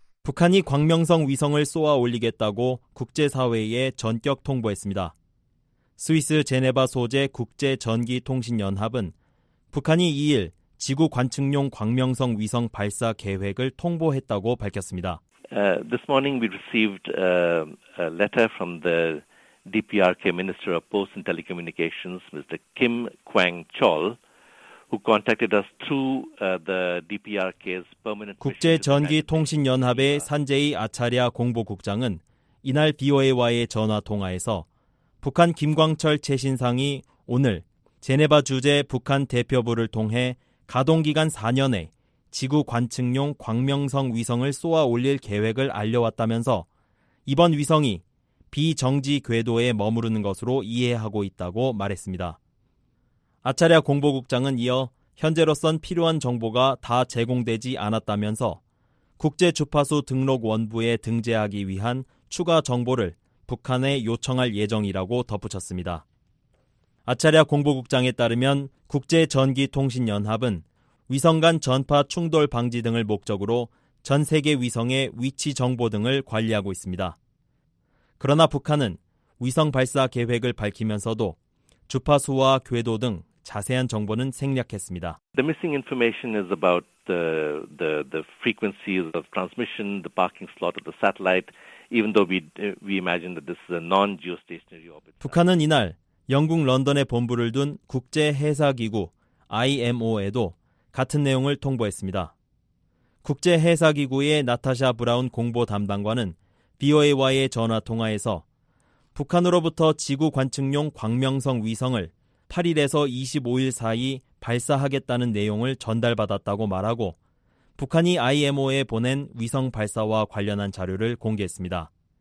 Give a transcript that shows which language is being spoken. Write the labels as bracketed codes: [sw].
[ko] 북한이 광명성 위성을 쏘아 올리겠다고 국제사회에 전격 통보했습니다. 스위스 제네바 소재 국제전기통신연합은 북한이 2일 지구 관측용 광명성 위성 발사 계획을 통보했다고 밝혔습니다. [en] This morning we received a letter from the DPRK Minister of Posts and Telecommunications, Mr. Kim Kwang-chol, who contacted us through the DPRK's permanent. [ko] 국제 전기 통신 연합의 산제이 아차랴 공보국장은 이날 BOA와의 전화 통화에서 북한 김광철 최신상이 오늘 제네바 주재 북한 대표부를 통해 가동 기간 4년에 지구 관측용 광명성 위성을 쏘아 올릴 계획을 알려왔다면서 이번 위성이 비정지 궤도에 머무르는 것으로 이해하고 있다고 말했습니다. 아차랴 공보국장은 이어 현재로선 필요한 정보가 다 제공되지 않았다면서 국제주파수 등록원부에 등재하기 위한 추가 정보를 북한에 요청할 예정이라고 덧붙였습니다. 아차랴 공보국장에 따르면 국제전기통신연합은 위성 간 전파 충돌 방지 등을 목적으로 전 세계 위성의 위치 정보 등을 관리하고 있습니다. 그러나 북한은 위성 발사 계획을 밝히면서도 주파수와 궤도 등 자세한 정보는 생략했습니다. [en] The missing information is about the frequencies of transmission, the parking slot of the satellite, even though we imagine that this is a non-geostationary orbit. [ko] 북한은 이날 영국 런던에 본부를 둔 국제해사기구 IMO에도 같은 내용을 통보했습니다. 국제해사기구의 나타샤 브라운 공보 담당관은 BOA와의 전화 통화에서 북한으로부터 지구 관측용 광명성 위성을 8일에서 25일 사이 발사하겠다는 내용을 전달받았다고 말하고 북한이 IMO에 보낸 위성 발사와 관련한 자료를 공개했습니다.